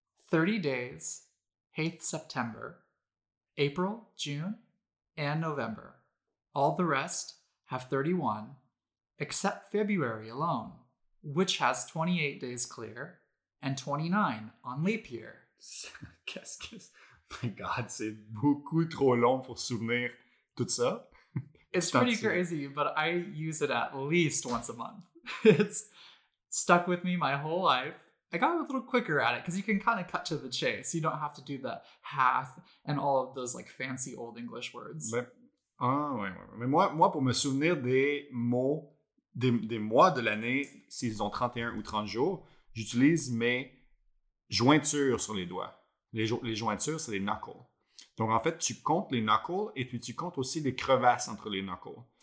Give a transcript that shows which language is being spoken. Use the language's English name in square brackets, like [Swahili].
[English] 30 days, 8th September, April, June, and November. All the rest have 31, except February alone, which has 28 days clear and 29 on leap year. [French] Qu'est-ce? [English] My God, [French] c'est beaucoup trop long pour souvenir tout ça. [English] It's pretty crazy, but I use it at least once a month. It's stuck with me my whole life. I got a little quicker at it because you can kind of cut to the chase. You don't have to do the half and all of those like fancy old English words. [French] Mais, mais moi, pour me souvenir des mots, des mois de l'année, s'ils ont 31 ou 30 jours, j'utilise mes jointures sur les doigts. Les jointures, c'est les knuckles. Donc, en fait, tu comptes les knuckles et puis tu comptes aussi les crevasses entre les knuckles.